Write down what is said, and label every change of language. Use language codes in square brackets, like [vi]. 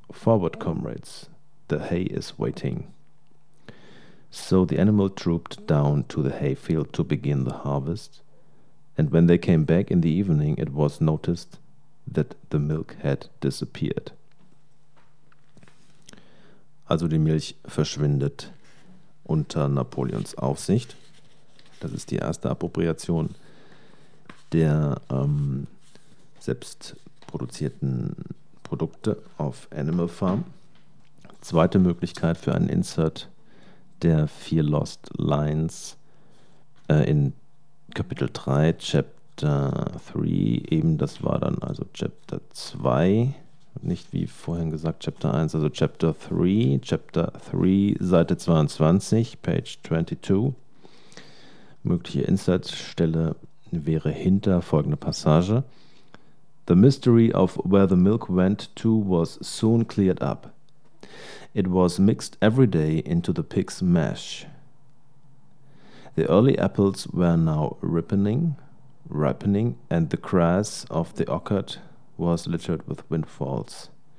[en] Forward, comrades. The hay is waiting. So the animal trooped down to the hayfield to begin the harvest, and when they came back in the evening, it was noticed that the milk had disappeared. [de] Also die Milch verschwindet unter Napoleons Aufsicht. Das ist die erste Appropriation der selbst produzierten Produkte auf Animal Farm. Zweite Möglichkeit für einen Insert der vier Lost Lines in Kapitel 3, Chapter 3, eben das war dann also Chapter 2, nicht wie vorhin gesagt Chapter 1, also Chapter 3, Chapter 3, Seite 22, [en] Page 22. [de] Mögliche Insertstelle wäre hinter folgende Passage. [en] The mystery of where the milk went to was soon cleared up. It was mixed every day into the pig's mash. The early apples were now ripening, ripening, and the grass of the orchard was littered with windfalls.